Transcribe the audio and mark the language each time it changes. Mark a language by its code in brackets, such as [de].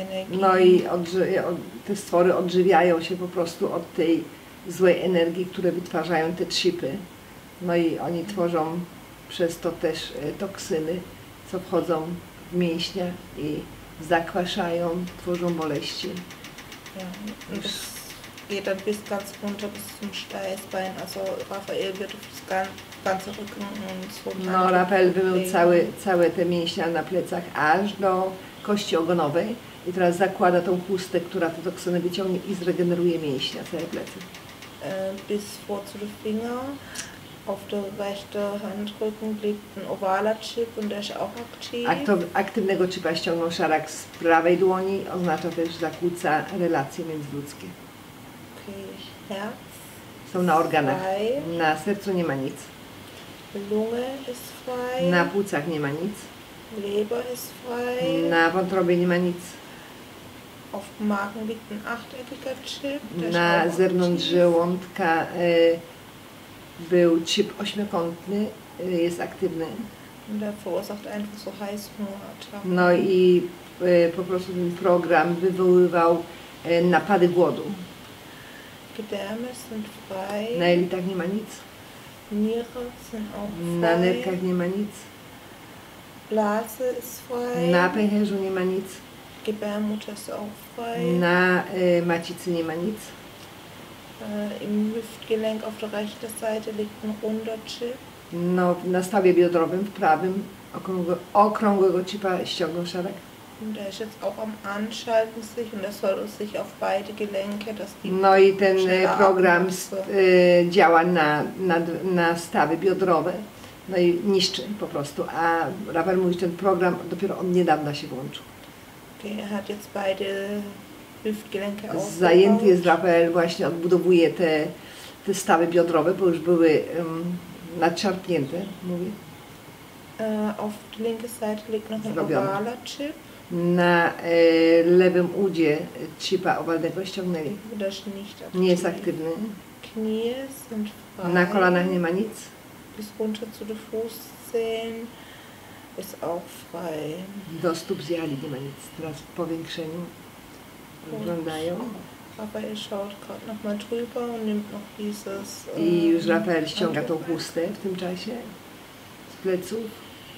[pl] No i te stwory odżywiają się po prostu od tej złej energii, które wytwarzają te chipy. No i oni tworzą przez to też toksyny, co wchodzą w mięśnia i zakwaszają, tworzą boleści. Już. [de] Geht dann bis ganz runter bis zum Steißbein, also Rafael wird auf das ganze Rücken und so. [pl] No, Rafael wymył całe te mięśnia na plecach aż do kości ogonowej i teraz zakłada tą chustę, która te toksyny wyciągnie i zregeneruje mięśnia, całe plecy. [de] Bis vor zu den Finger, auf der rechte Handrücken liegt ein ovaler Chip und der ist auch aktiv. [pl] Aktywnego chipa ściągnął szarak z prawej dłoni, oznacza też, że zakłóca relacje międzyludzkie. [de] Herz. [pl] Są na organach. Na sercu nie ma nic. [de] Lunge ist frei. [pl] Na płucach nie ma nic. [de] Leber ist frei. [pl] Na wątrobie nie ma nic. [de] Auf Magen liegt ein achteckiger Chip. [pl] Na zewnątrz żołądka był chip ośmiokątny, jest aktywny. [de] Der verursacht einfach so Heißhungerattacken. [pl] No i po prostu ten program wywoływał napady głodu. [de] Gedärme sind frei. [pl] Na jelitach nie ma nic. [de] Niere sind auch frei. [pl] Na nerkach nie ma nic. [de] Blase ist frei. [pl] Na pęcherzu nie ma nic. [de] Gebärmutter ist auch frei. [pl] Na macicy nie ma nic. [de] Im Hüftgelenk auf der rechten Seite liegt ein runder Chip. [pl] No, na stawie biodrowym, w prawym, okrągłego chipa ściągnął szereg. [de] Der ist jetzt auch am Anschalten sich und er soll sich auf beide Gelenke, dass die. [pl] No i ten program działa na stawy biodrowe, no i niszczy po prostu. A Rafael mówi, ten program dopiero od niedawna się włączył. [de] Okay, er hat jetzt beide Hüftgelenke aufgebaut. [pl] Zajęty jest Rafael, właśnie odbudowuje te stawy biodrowe, bo już były nadszarpnięte, mówię. [de] Auf der linken Seite liegt noch ein ovaler Chip. [pl] Na lewym udzie chipa owalnego ściągnęli. Nie jest aktywny. [de] Knie sind frei. [pl] Na kolanach nie ma nic. [de] Bis runter zu den Fußzehen ist auch frei. [pl] Do stóp zjali nie ma nic. Teraz w powiększeniu wyglądają. [de] Rafael schaut gerade noch mal drüber und nimmt noch dieses. [pl] I już Rafael ściąga tą chustę w tym czasie z pleców.